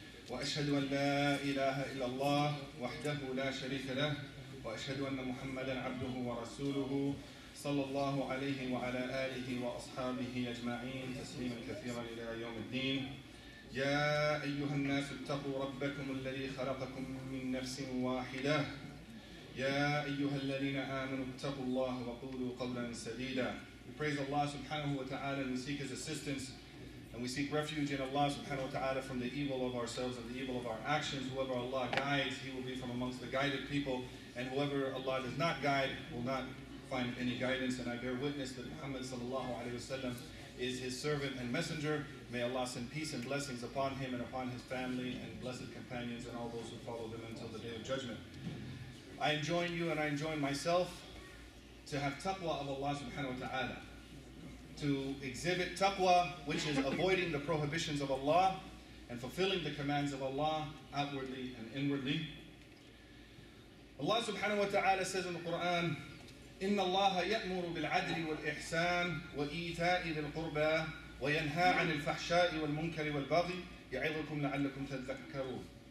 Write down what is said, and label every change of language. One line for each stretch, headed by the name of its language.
Arabic: وأشهد أن لا إله إلا الله وحده لا شريك له وأشهد أن محمدا عبده ورسوله صلى الله عليه وعلى آله وأصحابه أجمعين تسليما كثيرا إلى يوم الدين يا أيها الناس اتقوا ربكم الذي خلقكم من نفس واحدة يا أيها الذين آمنوا اتقوا الله وقولوا قولا سديدا.
English: We praise Allah subhanahu wa ta'ala and we seek His assistance and we seek refuge in Allah subhanahu wa ta'ala from the evil of ourselves and the evil of our actions. Whoever Allah guides, he will be from amongst the guided people, and whoever Allah does not guide will not find any guidance. And I bear witness that Muhammad sallallahu alayhi wa sallam is his servant and messenger. May Allah send peace and blessings upon him and upon his family and blessed companions and all those who follow them until the day of judgment. I enjoin you and I enjoin myself to have taqwa of Allah subhanahu wa ta'ala, to exhibit taqwa, which is avoiding the prohibitions of Allah and fulfilling the commands of Allah outwardly and inwardly.
Arabic: Allah subhanahu wa ta'ala
English: says in the Quran,
Arabic: إن الله يأمر بالعدل والإحسان وإيتاء ذي القربى وينهى عن الفحشاء والمنكر والبغي يعظكم لعلكم تذكرون.